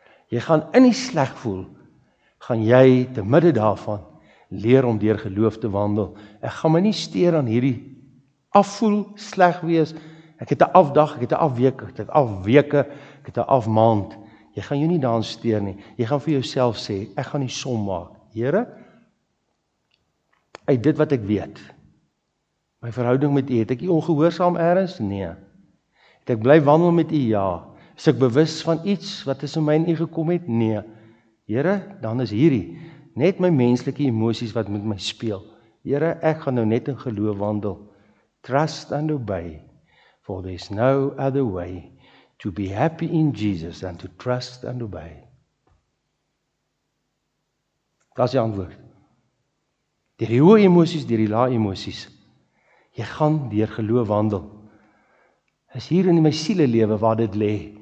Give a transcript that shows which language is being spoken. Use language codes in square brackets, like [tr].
[af] Jy gaan in die sleg voel, gaan jy te midde daarvan leer om deur geloof te wandel. Ek gaan my nie steer aan hierdie afvoel, sleg wees. Ek het 'n afdag, ek het 'n afweek, ek het afweke, ek het 'n afmaand. Jy gaan jou nie daaraan steer nie. Jy gaan vir jouself sê, ek gaan die som maak. Here, uit dit wat ek weet, my verhouding met U, het ek U ongehoorsaam ergens? Nee. Het ek bly wandel met U? Ja. Is ek bewus van iets wat is in my en U gekom het? Nee. Here, dan is hierdie net my menslike emosies wat met my speel. Here, ek gaan nou net in geloof wandel. [en] Trust and obey. For there is no other way to be happy in Jesus than to trust and obey. [af] Dat is die antwoord. Deur die hoë emosies, deur die lae emosies. Jy gaan deur geloof wandel. Is hier in my sielelewe waar dit lê.